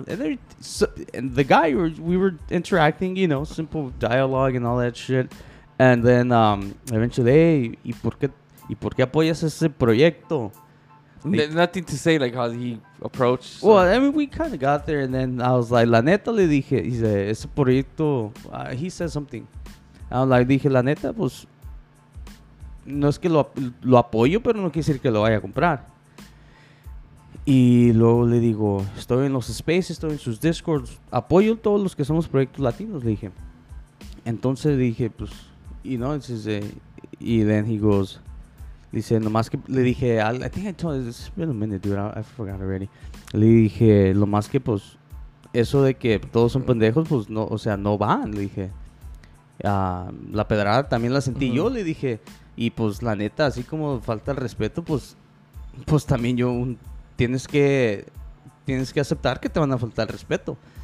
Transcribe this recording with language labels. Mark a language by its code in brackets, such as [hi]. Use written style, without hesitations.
[en] And, and the guy, we were interacting, you know, simple dialogue and all that shit. And then eventually, hey, [es] ¿y por qué apoyas ese proyecto? [en] Like, nothing to say, like, how he approached. So. Well, I mean, we kind of got there, and then I was like, [es] la neta, le dije, dice, ese proyecto, [en] he said something. I was like, [es] dije, la neta, pues, no es que lo apoyo, pero no quiere decir que lo vaya a comprar. Y luego le digo, estoy en los spaces, estoy en sus discords, apoyo a todos los que somos proyectos latinos, le dije. Entonces dije, pues, [en] you know, y then he goes, [es] dice, nomás que le dije, [en] I think I told you, it's been a minute, dude, I forgot already. [es] Le dije, lo más que, pues, eso de que todos son pendejos, pues, no, o sea, no van, le dije. La pedrada también la sentí yo, le dije. Y, pues, la neta, así como falta el respeto, pues también yo, tienes que aceptar que te van a faltar el respeto.